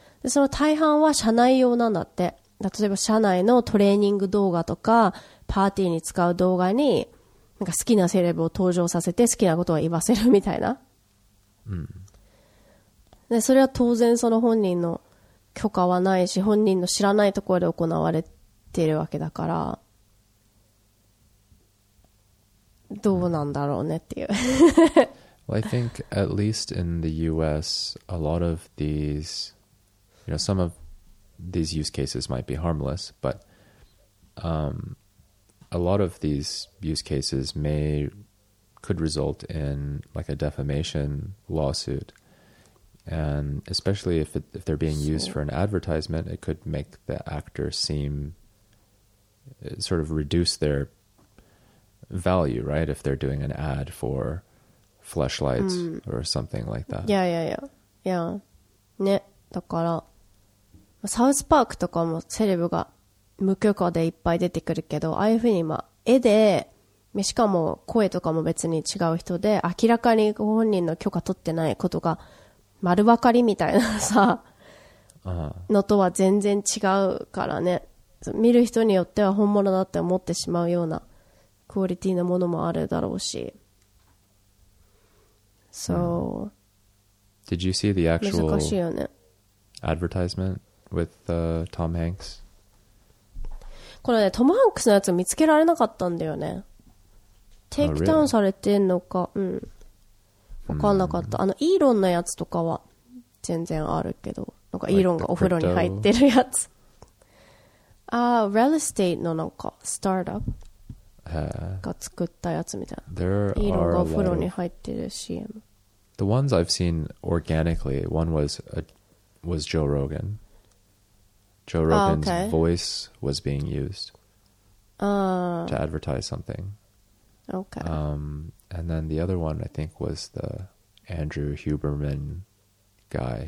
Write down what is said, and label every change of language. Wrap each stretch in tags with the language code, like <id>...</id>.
<ja>で、その大半は社内用なんだって。例えば社内のトレーニング動画とかパーティーに使う動画に、なんか好きなセレブを登場させて好きなことを言わせるみたいな、うん、でそれは当然その本人の許可はないし、本人の知らないところで行われているわけだから、どうなんだろうねっていう。</ja> <en>Well, I think at least in the US, a lot of these, you know, some of these use cases might be harmless, but a lot of these use cases could result in like a defamation lawsuit. And especially if they're being used for an advertisement, it could make the actor seem, sort of reduce their value, right? If they're doing an ad for fleshlights or something like that. Yeah.</en> <ja>ね、だから、サウスパークとかもセレブが無許可でいっぱい出てくるけど、ああいうふうに、まあ、絵で、しかも声とかも別に違う人で、明らかにご本人の許可取ってないことが丸分かりみたいなさ、のとは全然違うからね。見る人によっては本物だって思ってしまうようなクオリティのものもあるだろうし。</ja> <en>So, Did you see the actual</en> <ja>難しいよね。</ja> <en>advertisement with Tom Hanks?</en> <ja>これね、トム・ハンクスのやつ見つけられなかったんだよね。テイクダウンされてんのか、</ja> <en>oh, really?</en> <ja>うん。分かんなかった。あのイーロンのやつとかは全然あるけど、なんかイーロンがお風呂に入ってるやつ。ああ、real estate のなんかスタートアップが作ったやつみたいな。</ja> <en>There</en> <ja>イーロンがお風呂に入ってる CM。</ja> <en>The ones I've seen organically, one was a, was Joe Rogan. Joe Rogan's voice was being used to advertise something. Okay. And then the other one, I think, was the Andrew Huberman guy.</en>